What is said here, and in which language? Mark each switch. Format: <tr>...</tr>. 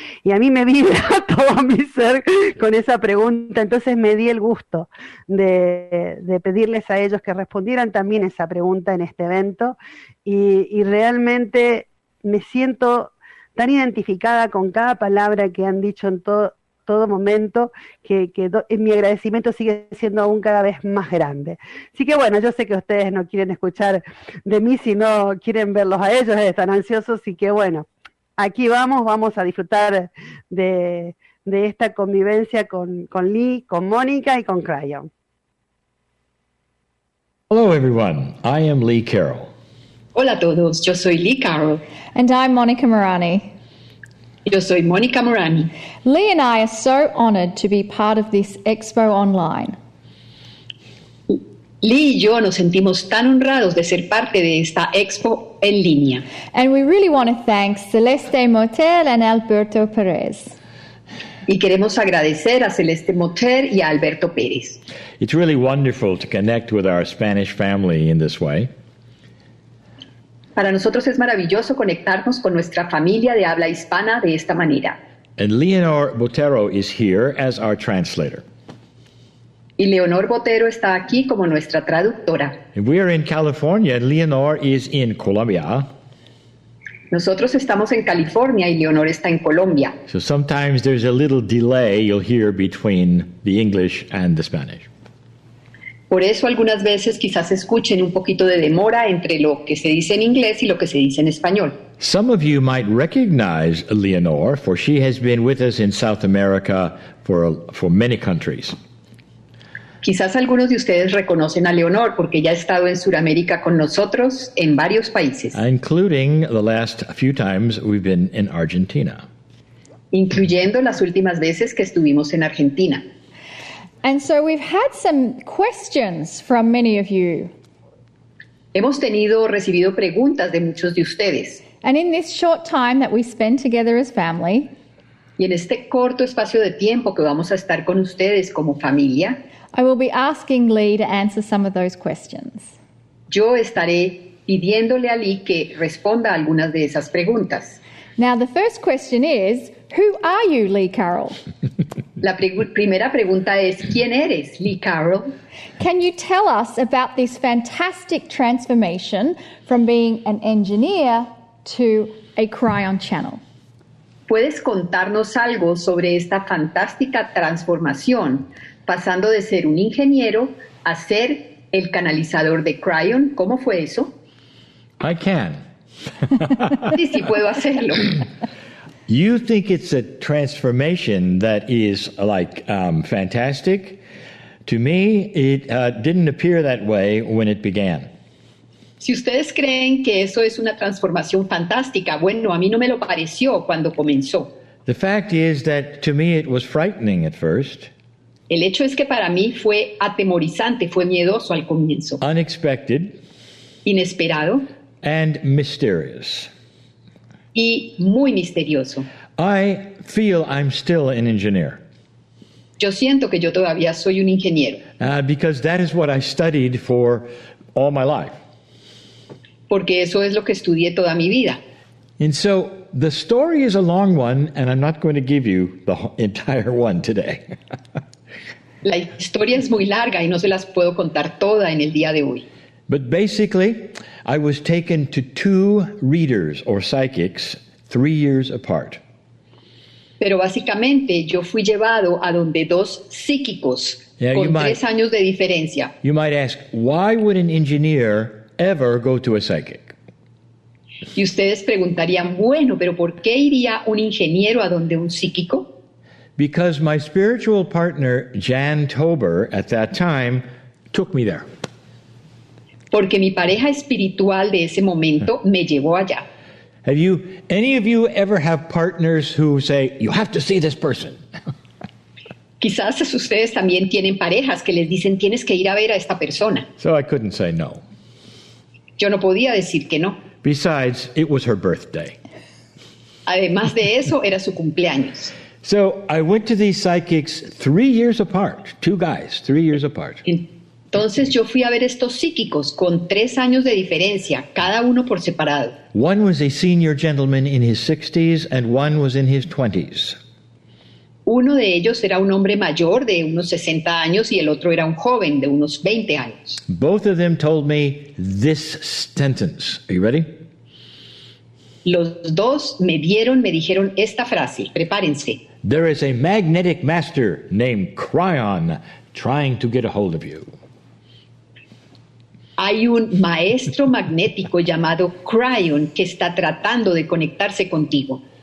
<es>y a mí me vibra todo mi ser con esa pregunta, entonces me di el gusto de pedirles a ellos que respondieran también esa pregunta en este evento, y realmente me siento tan identificada con cada palabra que han dicho en todo momento, que mi agradecimiento sigue siendo aún cada vez más grande. Así que bueno, yo sé que ustedes no quieren escuchar de mí, sino quieren verlos a ellos, están ansiosos, y que bueno, aquí vamos a disfrutar de esta convivencia con Lee, con Mónica y con Crayon.</es> <en>Hello everyone, I am Lee Carroll.</en> <es>Hola a todos, yo soy Lee Carroll.</es> <en>And I'm Mónica Morani.</en> <es>Yo soy Mónica Morani.</es> <en>Lee and I are so honored to be part of this expo online.</en> <es>Lee y yo nos sentimos tan honrados de ser parte de esta expo en línea.</es> <en>And we really want to thank Celeste Motel and Alberto Perez.</en> <es>Y queremos agradecer a Celeste Motel y a Alberto Pérez.</es> <en>It's really wonderful to connect with our Spanish family in this way.</en> <es>Para nosotros es maravilloso conectarnos con nuestra familia de habla hispana de esta manera.</es> <en>And Leonor Botero is here as our translator.</en> <es>Y Leonor Botero está aquí como nuestra traductora.</es> <en>And we are in California and Leonor is in Colombia.</en> <es>Nosotros estamos en California y Leonor está en Colombia.</es> <en>So sometimes there's a little delay you'll hear between the English and the Spanish.</en> <es>Por eso algunas veces quizás escuchen un poquito de demora entre lo que se dice en inglés y lo que se dice en español.</es> <en>Some of you might recognize Leonor, for she has been with us in South America for many countries.</en> <es>Quizás algunos de ustedes reconocen a Leonor porque ya ha estado en Sudamérica con nosotros en varios países.</es> <en>Including the last few times we've been in Argentina.</en> <es>Incluyendo las últimas veces que estuvimos en Argentina.</es> <en>And so we've had some questions from many of you.</en> <es>Hemos tenido recibido preguntas de muchos de ustedes.</es> <en>And in this short time that we spend together as family,</en> <es>y en este corto espacio de tiempo que vamos a estar con ustedes como familia,</es> <en>I will be asking Lee to answer some of those questions.</en> <es>Yo estaré pidiéndole a Lee que responda algunas de esas preguntas.</es> <en>Now, the first question is, who are you, Lee Carroll?</en> <es>La primera pregunta es, ¿quién eres, Lee Carroll?</es> <en>Can you tell us about this fantastic transformation from being an engineer to a Cryon channel?</en> <es>¿Puedes contarnos algo sobre esta fantástica transformación, pasando de ser un ingeniero a ser el canalizador de Cryon? ¿Cómo fue eso?</es> <en>I can.</en> <es>Sí, sí, puedo hacerlo.</es> <en>You think it's a transformation that is like fantastic? To me, it didn't appear that way when it began.</en> <es>Si ustedes creen que eso es una transformación fantástica, bueno, a mí no me lo pareció cuando comenzó.</es> <en>The fact is that to me it was frightening at first.</en> <es>El hecho es que para mí fue atemorizante, fue miedoso al comienzo.</es> <en>Unexpected.</en> <es>Inesperado.</es> <en>And mysterious.</en> <es>Y muy misterioso.</es> <en>I feel I'm still an engineer.</en> <es>Yo siento que yo todavía soy un ingeniero.</es> <en>Because that is what I studied for all my life.</en> <es>Porque eso es lo que estudié toda mi vida.</es> <en>And so the story is a long one, and I'm not going to give you the entire one today.</en> <es>La historia es muy larga y no se las puedo contar toda en el día de hoy.</es> <en>But basically, I was taken to two readers or psychics 3 years apart.</en> <es>Pero básicamente yo fui llevado a donde dos psíquicos yeah, con tres años de diferencia.</es> <en>You might ask, why would an engineer ever go to a psychic?</en> <es>Y ustedes preguntarían, bueno, pero ¿por qué iría un ingeniero a donde un psíquico?</es> <en>Because my spiritual partner, Jan Tober, at that time, took me there.</en> <es>Porque mi pareja espiritual de ese momento me llevó allá.</es> <en>Have you, any of you ever have partners who say, you have to see this person?</en> <es>Quizás ustedes también tienen parejas que les dicen, tienes que ir a ver a esta persona.</es> <en>So I couldn't say no.</en> <es>Yo no podía decir que no.</es> <en>Besides, it was her birthday.</en> <es>Además de eso, era su cumpleaños.</es> <en>So I went to these psychics 3 years apart, two guys, 3 years apart.</en> <es>Entonces yo fui a ver estos psíquicos con tres años de diferencia, cada uno por separado.</es> <en>One was a senior gentleman in his 60s and one was in his 20s.</en> <es>Uno de ellos era un hombre mayor de unos 60 años y el otro era un joven de unos 20 años.</es> <en>Both of them told me this sentence. Are you ready?</en> <es>Los dos me dijeron esta frase. Prepárense.</es> <en>There is a magnetic master named Cryon trying to get a hold of you.</en> <es>Hay un maestro magnético llamado Cryon que está tratando de conectarse contigo.</es>